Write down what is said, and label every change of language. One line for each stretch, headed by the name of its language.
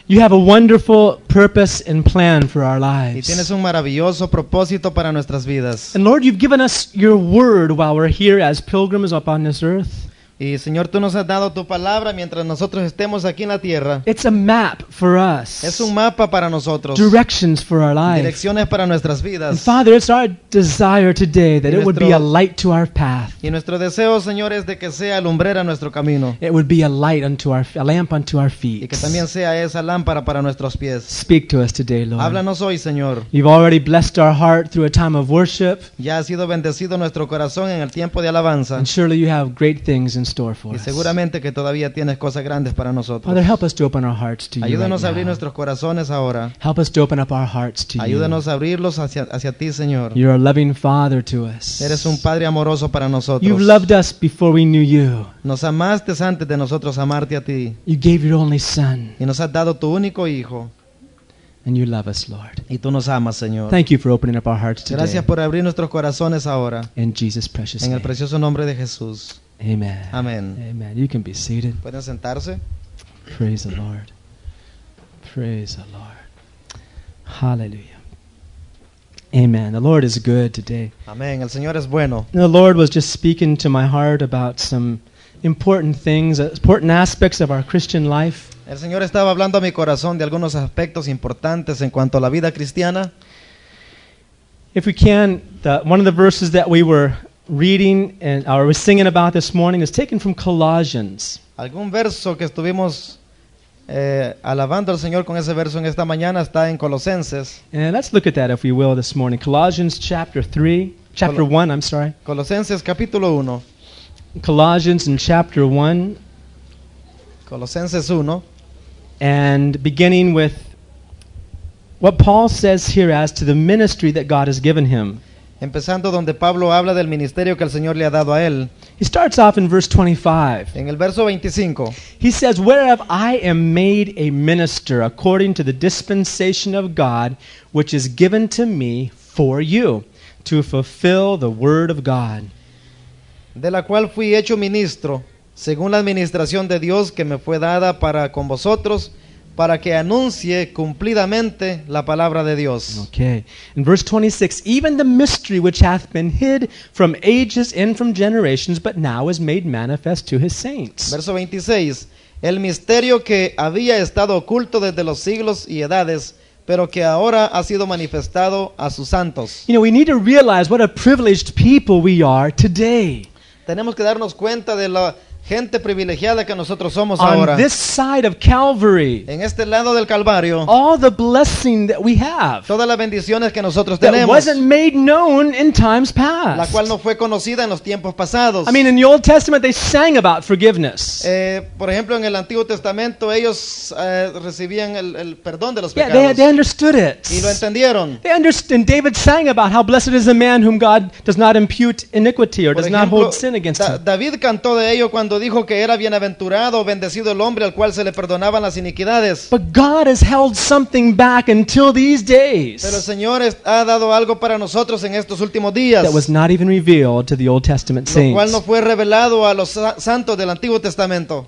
English: You have a wonderful purpose and plan for our lives.
Spanish: Y tienes un maravilloso propósito para nuestras vidas.
English: And Lord, you've given us your word while we're here as pilgrims upon this earth.
Spanish: Y Señor, tú nos has dado tu palabra mientras nosotros estemos aquí en la tierra.
English: It's a map for us.
Spanish: Es un mapa para nosotros.
English: Directions for our lives.
Spanish: Direcciones para nuestras vidas.
English: And Father, it's our desire today that it would be a light to our path.
Spanish: Y nuestro deseo, Señor, es de que sea lumbrera nuestro camino.
English: It would be a light unto our, a lamp unto our feet.
Spanish: Y que también sea esa lámpara para nuestros pies.
English: Speak to us today, Lord.
Spanish: Háblanos hoy, Señor.
English: You've already blessed our heart through a time of worship.
Spanish: Ya ha sido bendecido nuestro corazón en el tiempo de alabanza.
English: And surely you have great things in store for us.
Spanish: Y seguramente que todavía tienes cosas grandes para nosotros.
English: Father, help us to open our hearts to you.
Spanish: Ayúdanos a abrir nuestros corazones ahora.
English: Help us to open up our hearts to you.
Spanish: Ayúdanos a abrirlos hacia ti, Señor.
English: You're a loving Father to us.
Spanish: Eres un padre amoroso para nosotros.
English: You loved us before we knew you.
Spanish: Nos amaste antes de nosotros amarte a ti.
English: You gave your only Son.
Spanish: Y nos has dado tu único hijo.
English: And you love us, Lord.
Spanish: Y tú nos amas, Señor.
English: Thank you for opening up our hearts today.
Spanish: Gracias por abrir nuestros corazones ahora.
English: In Jesus' precious name.
Spanish: En el precioso nombre de Jesús.
English: Amen. Amen. Amen. You can be seated.
Spanish: ¿Pueden sentarse?
English: Praise the Lord. Praise the Lord. Hallelujah. Amen. The Lord is good today.
Spanish: Amen. El Señor es bueno.
English: The Lord was just speaking to my heart about some important things, important aspects of our Christian life.
Spanish: El Señor estaba hablando a mi corazón de algunos aspectos importantes en cuanto a la vida cristiana.
English: If we can, one of the verses that we were reading and or we're singing about this morning is taken from Colossians.
Spanish: Algún verso que estuvimos alabando al Señor con ese verso en esta mañana está en Colosenses.
English: And let's look at that if we will this morning. Colossians chapter 3, chapter 1, I'm sorry.
Spanish: Colosenses capítulo 1.
English: Colossians in chapter 1.
Spanish: Colosenses 1.
English: And beginning with what Paul says here as to the ministry that God has given him.
Spanish: Empezando donde Pablo habla del ministerio que el Señor le ha dado a él.
English: He starts off in verse 25.
Spanish: En el verso 25.
English: He says, "Whereof I am made a minister according to the dispensation of God, which is given to me for you, to fulfill the word of God."
Spanish: De la cual fui hecho ministro, según la administración de Dios que me fue dada para con vosotros, para que anuncie cumplidamente la palabra de Dios.
English: Okay. In verse 26, even the mystery which hath been hid from ages and from generations, but now is made manifest to his saints.
Spanish: Verso 26, el misterio que había estado oculto desde los siglos y edades, pero que ahora ha sido manifestado a sus santos.
English: You know, we need to realize what a privileged people we are today.
Spanish: Tenemos que darnos cuenta de la gente privilegiada que nosotros somos
English: on
Spanish: ahora.
English: This side of Calvary,
Spanish: en este lado del Calvario,
English: all the blessing that we have,
Spanish: todas las bendiciones que nosotros
English: that
Spanish: tenemos,
English: wasn't made known in times past,
Spanish: la cual no fue conocida en los tiempos pasados.
English: I mean, in the Old Testament they sang about forgiveness.
Spanish: Por ejemplo, en el Antiguo Testamento ellos recibían el perdón de los pecados.
English: Yeah, they understood it.
Spanish: Y lo entendieron.
English: They understood, and David sang about how blessed is the man whom God does not impute iniquity or
Spanish: por
English: does
Spanish: ejemplo,
English: not hold sin against him.
Spanish: David cantó de ello cuando dijo que era bienaventurado o bendecido el hombre al cual se le perdonaban las iniquidades.
English: But God has held something back until these days.
Spanish: Pero el Señor ha dado algo para nosotros en estos últimos días.
English: That was not even revealed to the Old Testament saints.
Spanish: Lo cual no fue revelado a los santos del Antiguo Testamento.